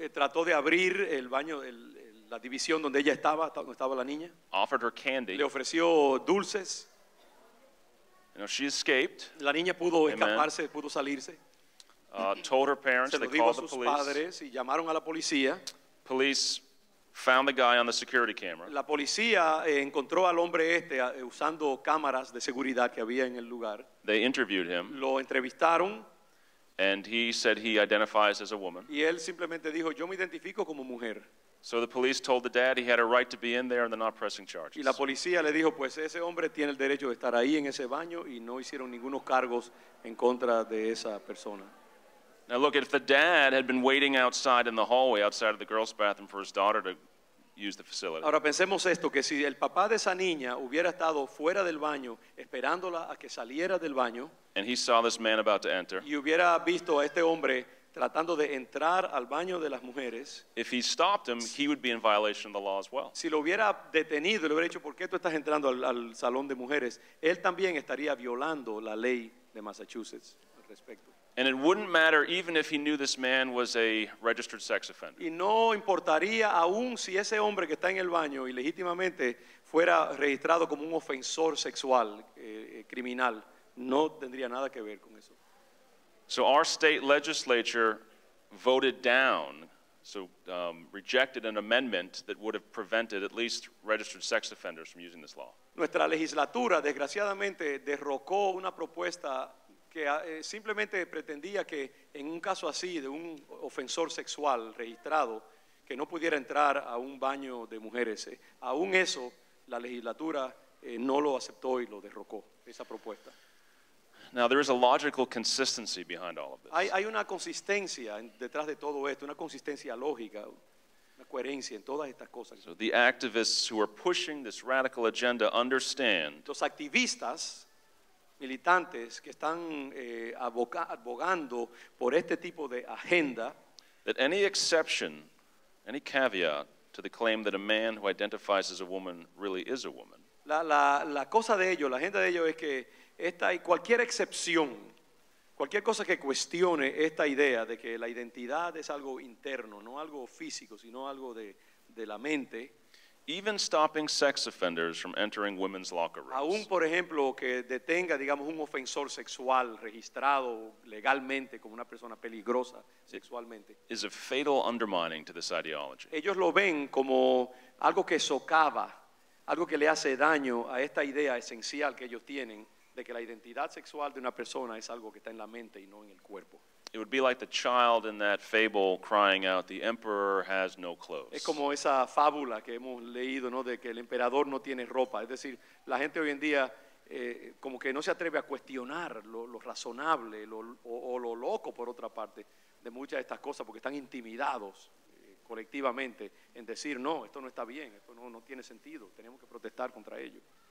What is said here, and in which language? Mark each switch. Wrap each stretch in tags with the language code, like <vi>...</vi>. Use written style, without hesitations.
<es>Trató de abrir el baño, la división donde ella estaba, donde estaba la niña.</es> <en>Offered her candy.</en> <es>Le ofreció dulces.</es> <en>You know, she escaped.</en> <es>La niña pudo escaparse, pudo salirse.</es> <en>Told her parents, they called the police.</en> <es>Se lo dijo a sus padres y llamaron a la policía.</es> <en>Police found the guy on the security camera.</en> <es>La policía encontró al hombre este usando cámaras de seguridad que había en el lugar.</es> <en>They interviewed him.</en> <es>Lo entrevistaron.</es> <en>And he said he identifies as a woman.</en> <es>Y él simplemente dijo, yo me identifico como mujer.</es> <en>So the police told the dad he had a right to be in there and they're not pressing charges.</en> <es>Y la policía le dijo, pues ese hombre tiene el derecho de estar ahí en ese baño y no hicieron ningunos cargos en contra de esa persona.</es> <en>Now look, if the dad had been waiting outside in the hallway outside of the girls' bathroom for his daughter to use the facility.</en> <es>Ahora pensemos esto, que si el papá de esa niña hubiera estado fuera del baño esperándola a que saliera del baño,</es> <en>and he saw this man about to enter,</en> <es>y hubiera visto a este hombre tratando de entrar al baño de las mujeres,</es> <en>if he stopped him, he would be in violation of the law as well.</en> <es>Si lo hubiera detenido, le hubiera dicho, ¿por qué tú estás entrando al salón de mujeres? Él también estaría violando la ley de Massachusetts al respecto.</es> <en>And it wouldn't matter even if he knew this man was a registered sex offender.</en> <es>Y no importaría aún si ese hombre que está en el baño ilegítimamente fuera registrado como un ofensor sexual, criminal. No tendría nada que ver con eso.</es> <en>So our state legislature voted down, rejected an amendment that would have prevented at least registered sex offenders from using this law.</en> <es>Nuestra legislatura, desgraciadamente, derrocó una propuesta que simplemente pretendía que en un caso así de un ofensor sexual registrado que no pudiera entrar a un baño de mujeres, aún eso la legislatura no lo aceptó y lo derrocó, esa propuesta.</es> <en>Now there is a logical consistency behind all of this.</en> <es>Hay una consistencia detrás de todo esto, una consistencia lógica, una coherencia en todas estas cosas.</es> <en>So the activists who are pushing this radical agenda understand.</en> <es>Los activistas militantes que están abogando por este tipo de agenda.</es> <en>That any exception, any caveat to the claim that a man who identifies as a woman really is a woman.</en> <es>La cosa de ello, la agenda de ello es que esta y cualquier excepción, cualquier cosa que cuestione esta idea de que la identidad es algo interno, no algo físico, sino algo de la mente.</es> <en>Even stopping sex offenders from entering women's locker rooms.</en> <es>Aún, por ejemplo, que detenga, digamos, un ofensor sexual registrado legalmente como una persona peligrosa sexualmente.</es> <en>Is a fatal undermining to this ideology.</en> <es>Ellos lo ven como algo que socava, algo que le hace daño a esta idea esencial que ellos tienen de que la identidad sexual de una persona es algo que está en la mente y no en el cuerpo.</es> <en>It would be like the child in that fable crying out, "The emperor has no clothes."</en> <es>Es como esa fábula que hemos leído, ¿no? De que el emperador no tiene ropa. Es decir, la gente hoy en día como que no se atreve a cuestionar lo razonable o lo loco, por otra parte, de muchas de estas cosas, porque están intimidados colectivamente en decir, no, esto no está bien, esto no tiene sentido, tenemos que protestar contra ello.</es>